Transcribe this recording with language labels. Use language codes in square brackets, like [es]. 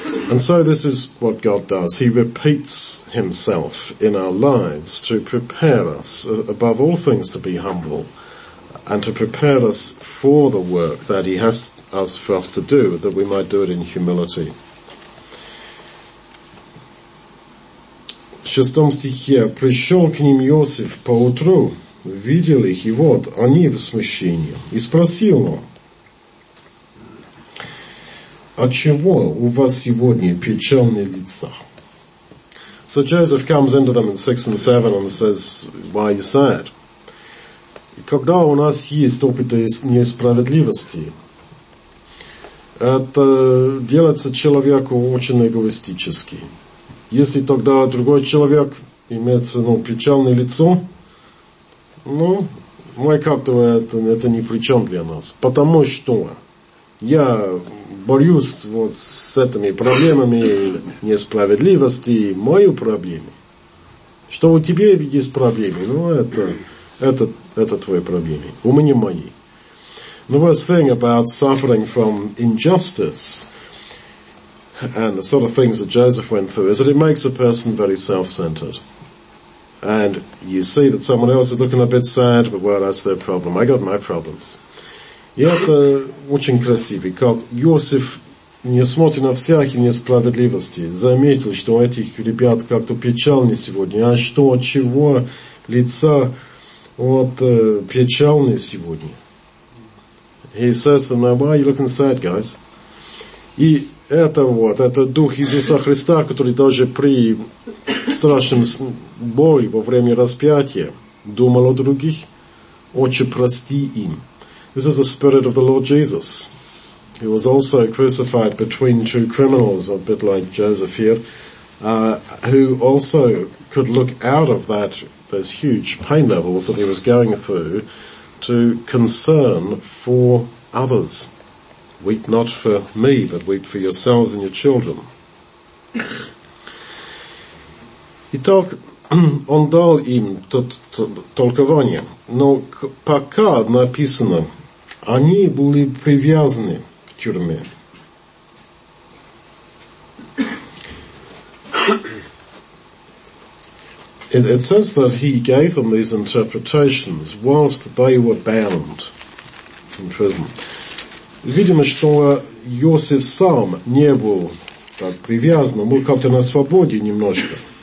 [en] And so this is what God does. He repeats himself in our lives to prepare us, above all things, to be humble, and to prepare us for the work that he has us for us to do, that we might do it in humility. [ru] В шестом стихе пришел к ним Иосиф поутру, видел их, и вот они в смущении, и спросил его, а чего у вас сегодня печальные лица? [en] So Joseph comes into them in 6 and 7 and says, why are you sad? [ru] Когда у нас есть опыт несправедливости, это делается человеку очень эгоистически. Если тогда другой человек имеет печальное лицо, мы как-то это ни при чем для нас. Потому что я борюсь вот с этими проблемами несправедливости, мою проблему. Что у тебя есть проблемы? Это твои проблемы. У меня мои. [en] The worst thing about suffering from injustice and the sort of things that Joseph went through is that it makes a person very self-centered. And you see that someone else is looking a bit sad, but well, that's their problem. I got my problems. [ru] И это очень красиво, как Иосиф, несмотря на всякие несправедливости, заметил, что этих ребят как-то печальны сегодня. А что, чего лица печальны сегодня? [en] He says to Nehemiah, you look inside, guys. [ru] И это вот, это дух Иисуса Христа, который даже при страшном бой во время распятия думал о других, Отче, прости им. [en] This is the spirit of the Lord Jesus. He was also crucified between two criminals, a bit like Joseph here, who also could look out of that, those huge pain levels that he was going through to concern for others. Weep not for me, but weep for yourselves and your children. [ru] Итак, он дал им толкование. Но пока написано, они были привязаны в тюрьме. [en] It says that he gave them these interpretations whilst they were bound in prison. [ru] Видимо, что Иосиф сам не был так привязан, был как-то на свободе немножко.